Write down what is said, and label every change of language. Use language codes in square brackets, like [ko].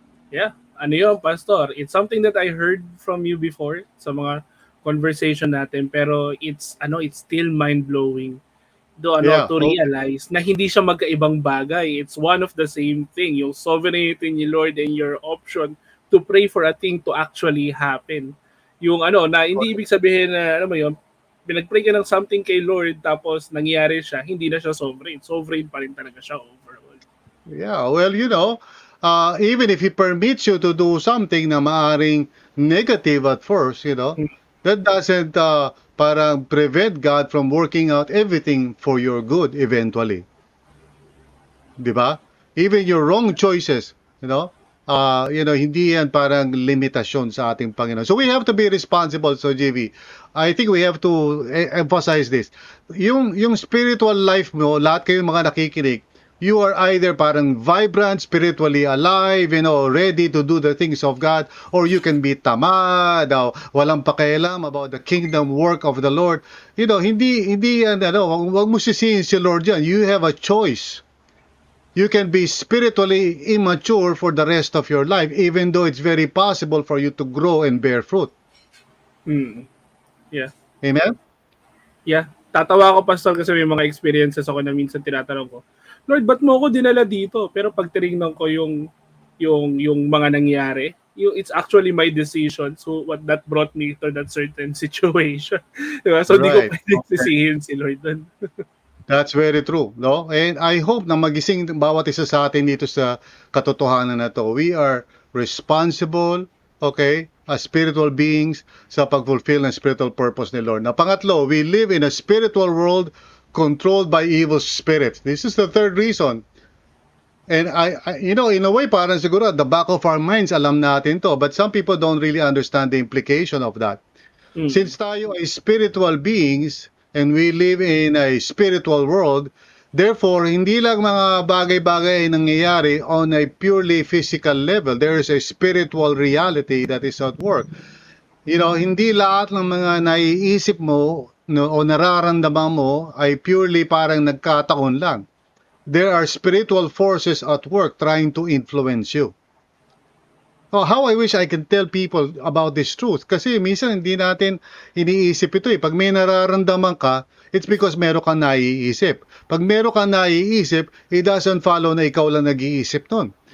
[en] Yeah. [tl] Ano yun, [en] Pastor? It's something that I heard from you before [tl] sa mga conversation natin, [en] pero it's still mind-blowing to realize [tl] na hindi siya magkaibang bagay. [en] It's one of the same thing, [tl] yung sovereignty ni Lord [en] and your option to pray for a thing to actually happen. [tl] Yung ano, na hindi ibig sabihin na, alam mo yun, pinag-pray ka ng something kay Lord tapos nangyari siya, hindi na siya sovereign. Sovereign pa rin talaga siya overall. [en] Yeah, well, you know, even if he permits you to do something [tl] na maaring [en] negative at first, you know, that doesn't parang prevent God from working out everything for your good eventually. [tl] Diba? [en] Even your wrong choices, you know, You know, [tl] hindi yan parang limitasyon sa ating Panginoon. [en] So we have to be responsible. So JV, I think we have to emphasize this. [tl] Yung spiritual life mo, lahat kayo mga nakikinig, [en] you are either parang vibrant, spiritually alive, you know, ready to do the things of God, or you can be tamad, [tl] or walang pakialam [en] about the kingdom work of the Lord. You know, [tl] hindi yan, ano, wag mo sisihin si Lord yan. [en] You have a choice. You can be spiritually immature for the rest of your life, even though it's very possible for you to grow and bear fruit. Yeah. Amen? Yeah. [tl] Tatawa ako, Pastor, kasi may mga experiences ako na minsan tinatanong ko, Lord, ba't mo ako dinala dito? Pero pag tiningnan ko yung mga nangyari, [en] it's actually my decision. So what that brought me to that certain situation. [tl] Diba? [en] So right. [tl] Di ko pwedeng sisihin si Lord dun. [en] That's very true, no? And I hope [tl] na magising bawat isa sa atin dito sa katotohanan na to. [en] We are responsible, okay, as spiritual beings [tl] sa pag-fulfill ng spiritual purpose ni Lord. Na pangatlo, [en] we live in a spiritual world controlled by evil spirits. This is the third reason. And I you know, in a way, [tl] parang siguro [en] at the back of our minds, [tl] alam natin to. [en] But some people don't really understand the implication of that. Since [tl] tayo ay [en] spiritual beings, and we live in a spiritual world, therefore, [tl] hindi lang mga bagay-bagay nangyayari [en] on a purely physical level. There is a spiritual reality that is at work. You know, [tl] hindi lahat ng mga naiisip mo no, o nararamdaman mo ay purely parang nagkataon lang. [en] There are spiritual forces at work trying to influence you. Oh, how I wish I can tell people about this truth. [tl] Kasi minsan hindi natin iniisip ito eh. Pag may nararamdaman ka, [en] it's because [tl] meron kang naiisip. Pag meron kang naiisip, [en] it doesn't follow [tl] na ikaw lang nag-iisip nun.